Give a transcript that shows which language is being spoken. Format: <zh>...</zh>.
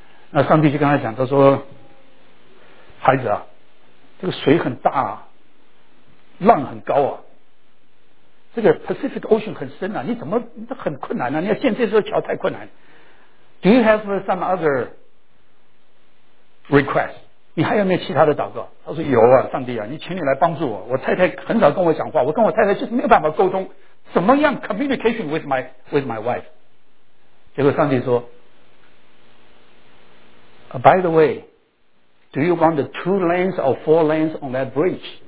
<zh>那上帝就跟他讲，他说：“孩子啊，这个水很大，浪很高啊，这个 Pacific Ocean 很深啊，你怎么这很困难啊？你要建这座桥太困难。</zh> <en>Do you have some other request?”</en> <zh>你还有没有其他的祷告？他说有啊，上帝啊，你请你来帮助我。我太太很少跟我讲话，我跟我太太就是没有办法沟通，怎么样</zh> <en>communication with my wife？</en> <zh>结果上帝说</zh> <en>，By the way， do you want the two lanes or four lanes on that bridge？</en>